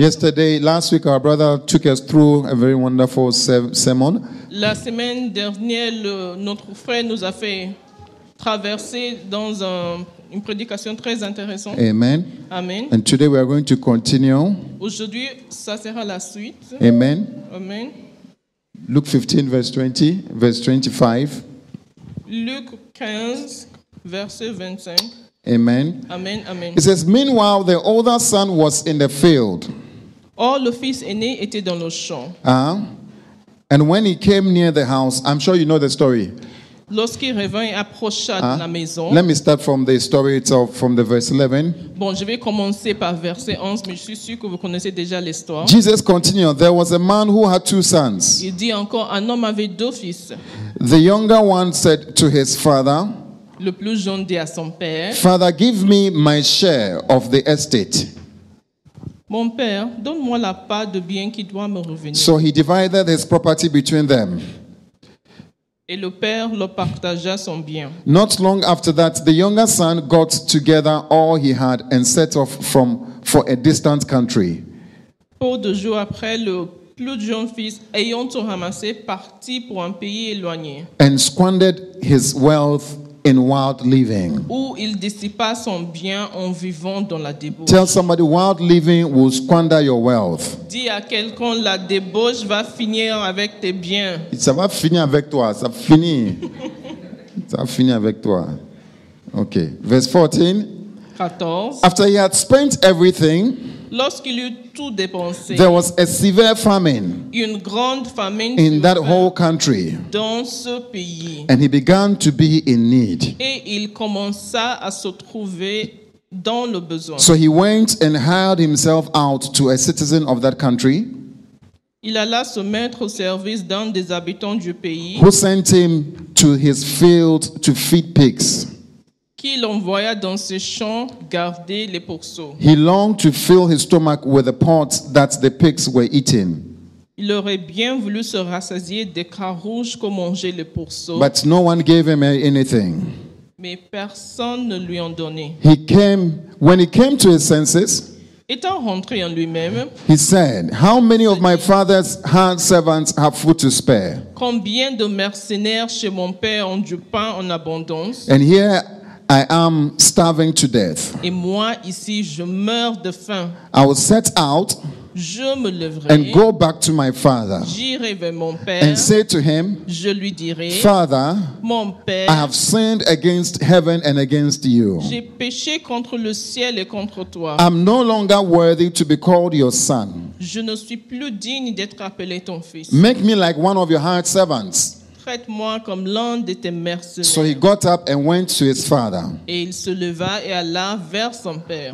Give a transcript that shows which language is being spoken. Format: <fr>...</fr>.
<en>Yesterday, last week, our brother took us through a very wonderful sermon.</en> <fr>La semaine dernière, notre frère nous a fait traverser dans une prédication très intéressante. Amen. Amen.</fr> <en>And today we are going to continue.</en> <fr>Aujourd'hui, ça sera la suite. Amen. Amen.</fr> <en>Luke 15, verse 25. Luke 15, verse 25. Amen. Amen, amen. It says, meanwhile, the older son was in the field.</en> <fr>Or le fils aîné était dans le champ.</fr> <en>And when he came near the house, I'm sure you know the story.</en> <fr>Lorsqu'il revint et approcha de la maison.</fr> <en>Let me start from the story itself, from the verse 11.</en> <fr>Bon, je vais commencer par verset 11, mais je suis sûr que vous connaissez déjà l'histoire.</fr> <en>Jesus continued, there was a man who had two sons.</en> <fr>Il dit encore, un homme avait deux fils.</fr> <en>The younger one said to his father,</en> <fr>le plus jeune dit à son père,</fr> <en>Father, give me my share of the estate.</en> <fr>Mon père, donne-moi la part de bien qui doit me revenir.</fr> <en>So he divided his property between them.</en> <fr>Et le père le partagea son bien.</fr> <en>Not long after that, the younger son got together all he had and set off for a distant country.</en> <fr>Peu de jours après, le plus jeune fils, ayant tout ramassé, partit pour un pays éloigné.</fr> <en>And squandered his wealth in wild living.</en> <fr>Où il dissipa son bien en vivant dans la débauche.</fr> <en>Tell somebody, wild living will squander your wealth.</en> <fr>Dis à quelqu'un, la débauche va finir avec tes biens. Ça va finir avec toi, ça finit. Ça va finir avec toi. Ok,</fr> <en>verse 14. 14. After he had spent everything,</en> <fr>lorsqu'il eut tout dépensé,</fr> <en>there was a severe famine,</en> <fr>une grande famine</fr> <en>in that whole country,</en> <fr>dans ce pays,</fr> <en>and he began to be in need.</en> <fr>Et il commença à se trouver dans le besoin.</fr> <en>So he went and hired himself out to a citizen of that country.</en> <fr>Il alla se mettre au service d'un des habitants du pays,</fr> <en>who sent him to his field to feed pigs.</en> <fr>Qui l'envoya dans ses champs garder les pourceaux.</fr> <en>He longed to fill his stomach with the pods that the pigs were eating.</en> <fr>Il aurait bien voulu se rassasier des crins rouges que mangeaient les pourceaux.</fr> <en>But no one gave him anything.</en> <fr>Mais personne ne lui en donnait.</fr> <en>He came, when he came to his senses,</en> <fr>étant rentré en lui-même,</fr> <en>he said, how many of my father's hired servants have food to spare?</en> <fr>Combien de mercenaires chez mon père ont du pain en abondance?</fr> <en>And here I am starving to death.</en> <fr>Et moi ici, je meurs de faim.</fr> <en>I will set out,</en> <fr>je me lèverai,</fr> <en>and go back to my father.</en> <fr>J'irai vers mon père,</fr> <en>and say to him,</en> <fr>je lui dirai,</fr> <en>Father,</en> <fr>mon père,</fr> <en>I have sinned against heaven and against you.</en> <fr>J'ai péché contre le ciel et contre toi.</fr> <en>I'm no longer worthy to be called your son.</en> <fr>Je ne suis plus digne d'être appelé ton fils.</fr> <en>Make me like one of your hired servants.</en> <fr>Traite-moi comme l'un de tes mercenaires.</fr> <en>So he got up and went to his father.</en> <fr>Et il se leva et alla vers son père.</fr>